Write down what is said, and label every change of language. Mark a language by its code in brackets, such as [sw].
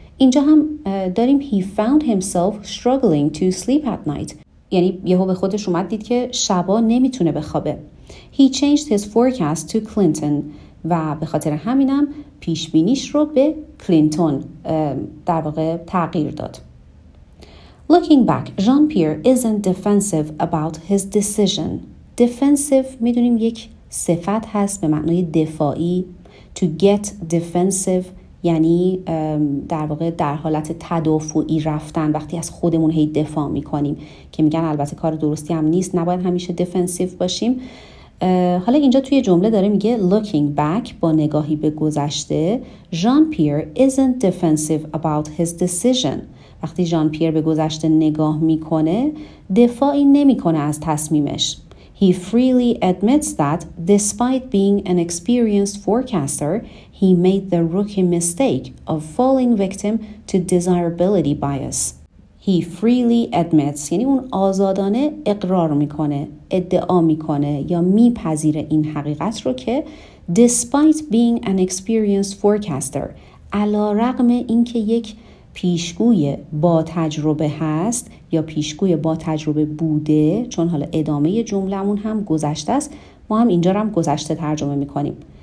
[fa] اینجا هم داریم [en] He found himself struggling to sleep at night, [fa] یعنی یهو به خودش اومد دید که شبا نمیتونه بخوابه. [en] He changed his forecast to Clinton, [fa] و به خاطر همینم پیشبینیش رو به کلینتون در واقع تغییر داد. [en] Looking back, Jean-Pierre isn't defensive about his decision. [fa] Defensive میدونیم یک صفت هست به معنای دفاعی. [en] To get defensive [fa] یعنی در واقع در حالت تدافعی رفتن, وقتی از خودمون هی دفاع میکنیم, که میگن البته کار درستی هم نیست, نباید همیشه defensive باشیم. حالا اینجا توی جمله داره میگه [en] looking back, [fa] با نگاهی به گذشته, [en] Jean-Pierre isn't defensive about his decision. [fa] وقتی Jean-Pierre به گذشته نگاه میکنه دفاعی نمیکنه از تصمیمش. [en] He freely admits that despite being an experienced forecaster, he made the rookie mistake of falling victim to desirability bias. He freely admits, [fa] یعنی اون آزادانه اقرار میکنه, ادعا میکنه یا میپذیره این حقیقت رو که [en] despite being an experienced forecaster, [fa] علارغم اینکه یک پیشگوی با تجربه هست یا پیشگوی با تجربه بوده, چون حالا ادامه جمله‌مون هم گذشته است, ما هم اینجا رو هم گذشته ترجمه میکنیم,